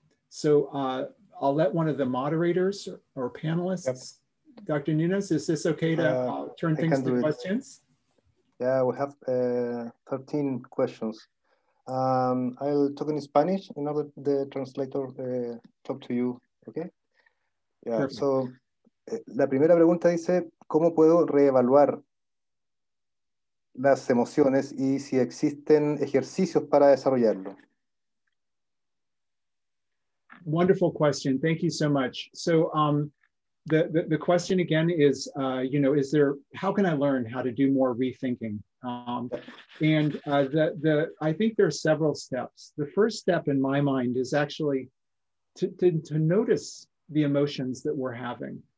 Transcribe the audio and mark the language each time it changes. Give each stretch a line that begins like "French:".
English: So I'll let one of the moderators or panelists, yep. Dr. Nunes, is this okay to turn things to questions? Yeah, we have 13 questions. I'll talk in Spanish in order the translator talk to you, okay? Yeah, perfect.
Spanish: So la primera pregunta dice, ¿cómo puedo reevaluar las emociones y si existen ejercicios para desarrollarlo?
English: Wonderful question, thank you so much. So the question again is, you know, how can I learn how to do more rethinking? I think there are several steps. The first step in my mind is actually to notice the emotions that we're having.